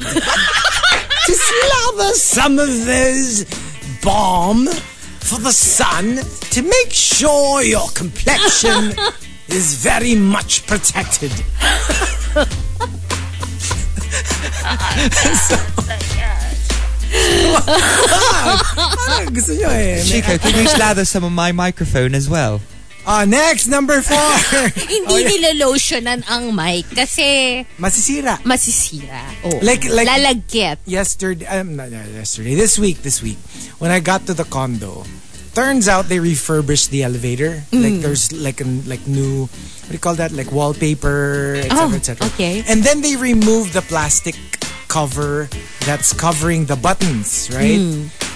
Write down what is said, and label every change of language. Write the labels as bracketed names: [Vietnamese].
[English] To slather some of those balm for the sun to make sure your complexion is very much protected. So, [Filipino] Gusto nyo eh. [English] Chico, can you slather some of my microphone as well? Next, number four. [Filipino] Hindi nilolotionan ang mic kasi... Masisira. [English] Oh, like [Filipino] lalagkit. [English] This week, when I got to the condo, turns out they refurbished the elevator. Mm. Like there's like new, what do you call that? Like wallpaper, etc. Okay. And then they removed the plastic cover that's covering the buttons, right? Mm.